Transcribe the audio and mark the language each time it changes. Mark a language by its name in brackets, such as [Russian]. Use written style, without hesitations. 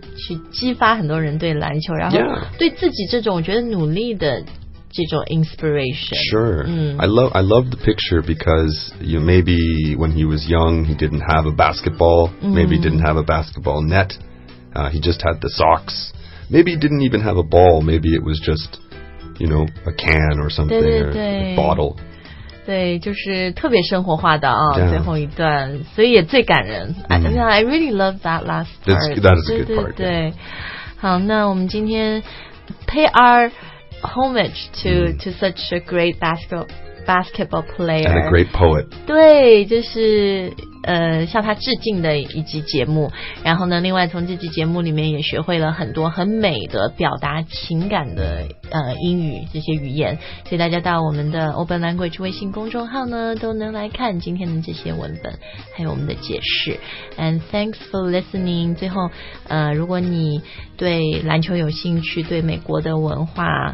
[Chinese] 去激发很多人对篮球然后对自己这种我觉得努力的这种 inspiration [English] sure、mm. I love the picture because you know, maybe when he was young he didn't have a basketball、mm. maybe he didn't have a basketball net、he just had the socks maybe he didn't even have a ball maybe it was just you know a can or something [Chinese] 对对对 [English] or a bottle [Chinese] 对就是特别生活化的、哦 [English] yeah. [Chinese] 最后一段所以也最感人、mm. [English] I really love that last part that is a good part [Chinese] 对对对好那我们今天 [English] homage to、 [Chinese] mm. [English] to such a great basketball player and a great poet [Chinese] 对就是向他致敬的一集节目然后呢另外从这集节目里面也学会了很多很美的表达情感的英语这些语言所以大家到我们的 Open Language 微信公众号呢都能来看今天的这些文本还有我们的解释 [English] and thanks for listening [Chinese] 最后如果你对篮球有兴趣对美国的文化